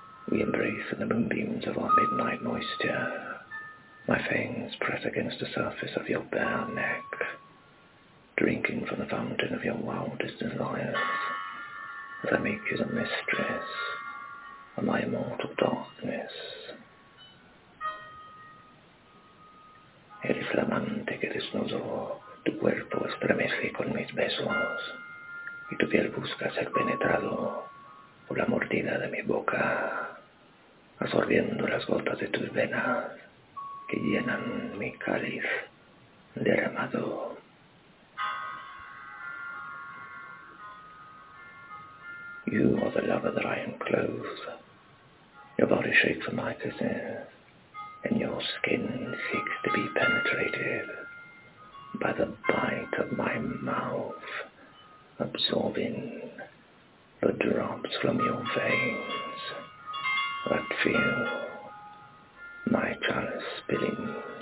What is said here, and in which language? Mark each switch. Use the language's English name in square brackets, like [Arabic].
[English] We embrace in the moonbeams of our midnight moisture. My fangs press against the surface of your bare neck, drinking from the fountain of your wildest desires, as I make you the mistress of my immortal darkness. [Spanish] Eres la amante que desnudo. Tu cuerpo estremece con mis besos, y tu piel busca ser penetrado por la mordida de mi boca, absorbiendo las gotas de tus venas que llenan mi cáliz derramado. [English] You are the lover that I enclose. Your body shakes for my kisses, and your skin seeks to be penetrated by the bite of my mouth, absorbing the drops from your veins that feel my chalice spilling.